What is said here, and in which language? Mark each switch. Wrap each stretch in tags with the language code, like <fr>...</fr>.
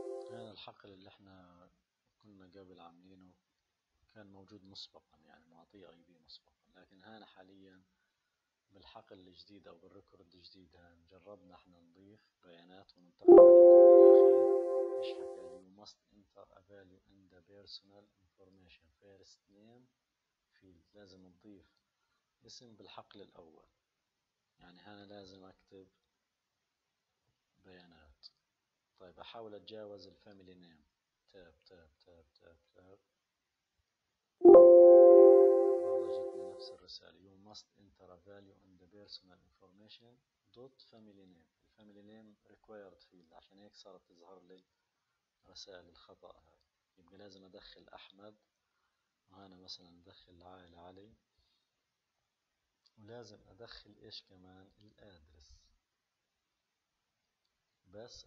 <ar>الحقل اللي احنا كنا قبل عاملينه كان موجود مسبقا، يعني معطيه اي بي مسبقا، لكن هنا حاليا بالحقل الجديد او بالريكورد الجديد هنا جربنا احنا نضيف بيانات وننتقل من الريكورد الاخير. ايش حكى لي؟</ar> <en>You must enter a value in the personal information first name field.</en> <ar>لازم نضيف اسم بالحقل الاول، يعني هنا لازم اكتب بيانات. طيب احاول اتجاوز الفاميلي نيم، تاب تاب تاب تاب تاب، برضه جتني نفس الرسالة.</ar> <en>You must enter a value in the personal information dot family name.</en> <ar>الفاميلي نيم required field، عشان هيك صارت تظهر لي رسائل الخطأ هاي. يبقى لازم ادخل احمد، وهنا مثلا ادخل العائلة علي، ولازم ادخل ايش كمان؟ الادرس بس.</ar>